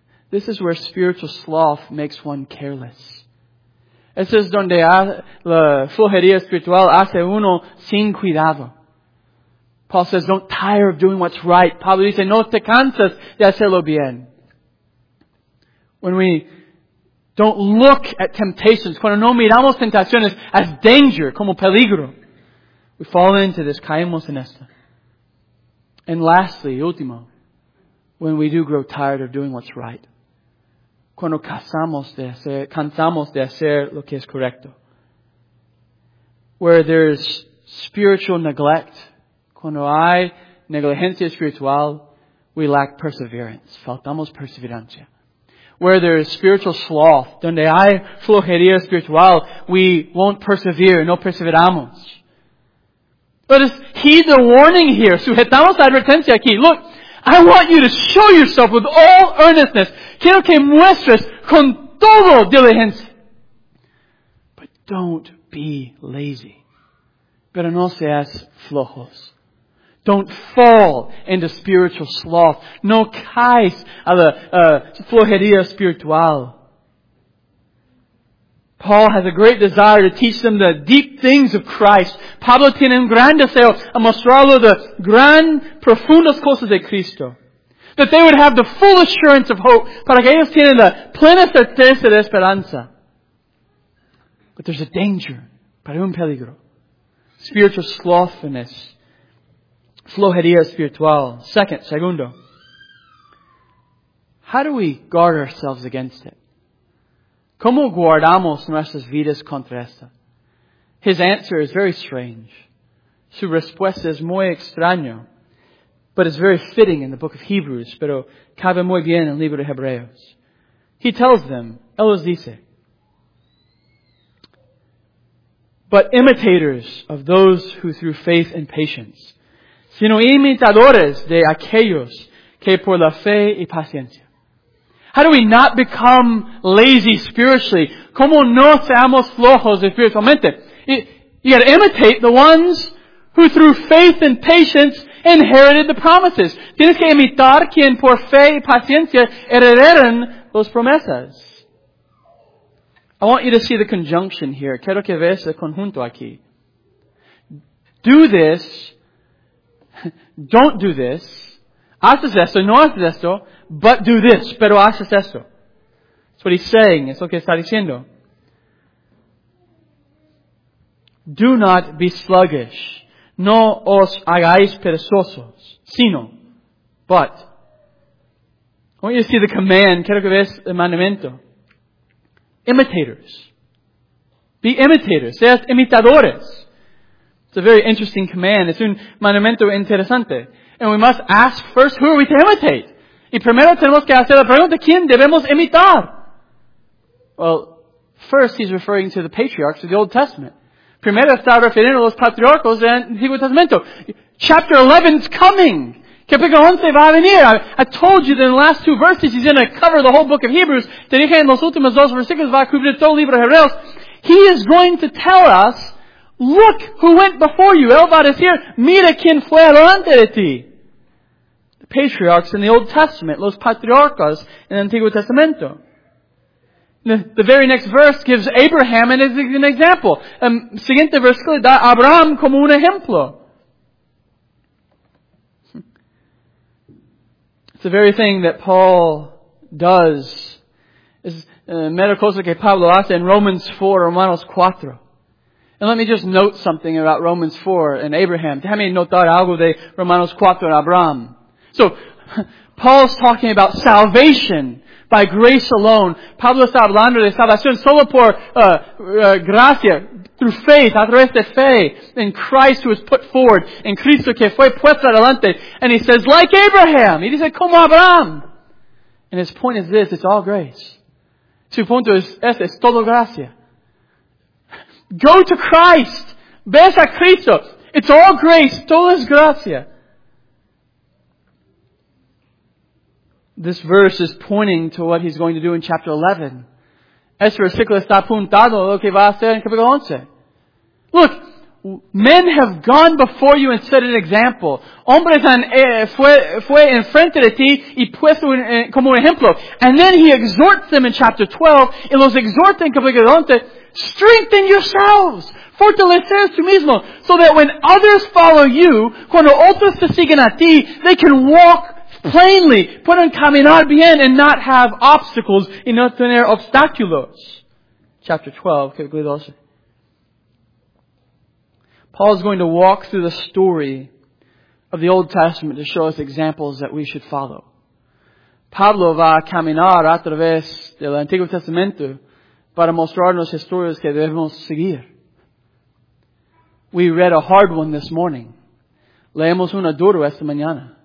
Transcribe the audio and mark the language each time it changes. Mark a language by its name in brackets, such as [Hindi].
[English] This is where spiritual sloth makes one careless. [Spanish] Eso es donde la flojería espiritual hace uno sin cuidado. [English] Paul says, don't tire of doing what's right. [Spanish] Pablo dice, no te cansas de hacerlo bien. [English] When we don't look at temptations, [Spanish] cuando no miramos tentaciones [English] as danger, [Spanish] como peligro, [English] we fall into this, [Spanish] caemos en esto. [English] And lastly, [Spanish] último, [English] when we do grow tired of doing what's right, [Spanish] cuando cansamos de hacer lo que es correcto, [English] where there is spiritual neglect, [Spanish] cuando hay negligencia espiritual, [English] we lack perseverance. [Spanish] Faltamos perseverancia. [English] Where there is spiritual sloth, [Spanish] donde hay flojería espiritual, [English] we won't persevere, [Spanish] no perseveramos. [English] But heed the warning here. [Spanish] Sujetamos la advertencia aquí. [English] Look, I want you to show yourself with all earnestness. [Spanish] Quiero que muestres con todo diligencia. [English] But don't be lazy. [Spanish] Pero no seas flojos. [English] Don't fall into spiritual sloth. [Spanish] No caes a la flojería espiritual. [English] Paul has a great desire to teach them the deep things of Christ. [Spanish] Pablo tiene un gran deseo a mostrarlo de gran profundas cosas de Cristo. [English] That they would have the full assurance of hope [Spanish] para que ellos tienen la plena certeza de esperanza. [English] But there's a danger, [Spanish] para un peligro. [English] Spiritual slothfulness. [Spanish] Flojería espiritual. Segundo. [English] How do we guard ourselves against it? [Spanish] ¿Cómo guardamos nuestras vidas contra esta? [English] His answer is very strange. [Spanish] Su respuesta es muy extraño. [English] But it's very fitting in the book of Hebrews. [Spanish] Pero cabe muy bien en el libro de Hebreos. [English] He tells them, [Spanish] él les dice, [English] but imitators of those who through faith and patience, [Spanish] sino imitadores de aquellos que por la fe y paciencia. [English] How do we not become lazy spiritually? [Spanish] ¿Cómo no seamos flojos espiritualmente? [English] You gotta imitate the ones who through faith and patience inherited the promises. [Spanish] Tienes que imitar quien por fe y paciencia heredaron las promesas. [English] I want you to see the conjunction here. [Spanish] Quiero que veas el conjunto aquí. [English] Do this. Don't do this. [Spanish] Haces esto, no haces esto, [English] but do this, [Spanish] pero haces esto. [English] That's what he's saying. [Spanish] Es lo que está diciendo. Do not be sluggish. No os hagáis perezosos, sino, but. [English] I want you to see the command. [Spanish] Quiero que veas el mandamiento. [English] Imitators. Be imitators. [Spanish] Seas imitadores. [English] It's a very interesting command. [Spanish] Es un mandamiento interesante. [English] And we must ask first, who are we to imitate? [Spanish] Y primero tenemos que hacer la pregunta, ¿quién debemos imitar? [English] Well, first he's referring to the patriarchs of the Old Testament. [Spanish] Primero está refiriendo a los patriarcos del Antiguo Testamento. [English] Chapter 11 is coming. Capítulo 11 va a venir. I told you that in the last two verses he's going to cover the whole book of Hebrews. [Spanish] Te dije en los últimos dos versículos va a cubrir todo el libro de Hebreos. [English] He is going to tell us, look who went before you. [Spanish] Él va a decir, mira quién fue adelante de ti. [English] The patriarchs in the Old Testament, [Spanish] los patriarcas en el Antiguo Testamento. [English] The very next verse gives Abraham as an example. [Spanish] Siguiente versículo da Abraham como un ejemplo. [English] It's the very thing that Paul does. [Spanish] Es mera cosa que Pablo hace en Romans 4, Romanos 4. [English] And let me just note something about Romans 4 and Abraham. [Spanish] Déjame notar algo de Romanos 4 [English] and Abraham. So, Paul's talking about salvation by grace alone. [Spanish] Pablo está hablando de salvación solo por gracia, [English] through faith, [Spanish] a través de fe, [English] in Christ who was put forward, [Spanish] in Cristo que fue puesto adelante. [English] And he says, like Abraham. [Spanish] He dice, como Abraham. [English] And his point is this, it's all grace. [Spanish] Su punto es todo gracia. [English] Go to Christ. [Spanish] Ves a Cristo. [English] It's all grace. [Spanish] Todo es gracia. [English] This verse is pointing to what he's going to do in chapter 11. [Spanish] Este versículo está apuntado a lo que va a hacer en capítulo 11. [English] Look, men have gone before you and set an example. [Spanish] Hombres han fue en frente de ti y puesto como un ejemplo. [English] And then he exhorts them in chapter 12. [Spanish] Y los exhorta en capítulo 11. [English] Strengthen yourselves. [Spanish] Fortalecer tú mismo. [English] So that when others follow you, [Spanish] cuando otros te siguen a ti, [English] they can walk plainly, [Spanish] pueden caminar bien [English] and not have obstacles [Spanish] y no tener obstáculos. [English] Chapter 12, [Spanish] capítulo 12. [English] Paul is going to walk through the story of the Old Testament to show us examples that we should follow. [Spanish] Pablo va a caminar a través del Antiguo Testamento para mostrarnos historias que debemos seguir. [English] We read a hard one this morning. [Spanish] Leemos una duro esta mañana.